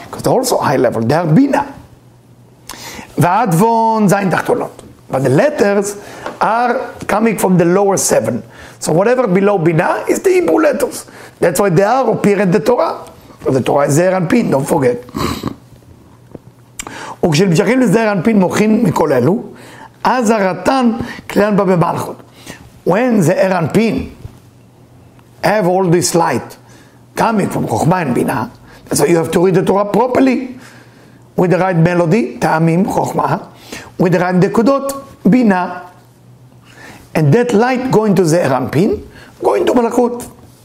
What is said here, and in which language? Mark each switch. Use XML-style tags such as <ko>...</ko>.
<en>Because they're also high level, they're Bina. V'advon Zayin Tachtonot, but the letters are coming from the lower seven. So whatever below Bina is the Hebrew letters. That's why they are appear in the Torah. The Torah is Zeher Anpin, don't forget.</en> <he>וכשנמשכים לזהר אנפין מוכין מכל אלו, אז הרטן כלן בה במלכות.</he> <en>When Zeher Anpin have all this light coming from Chokhma and Bina, so you have to read the Torah properly, with the right melody, Ta'amim, Chokhma, with the right Nekudot, Bina. And that light going to Zeher Anpin, going to Malachut.</en>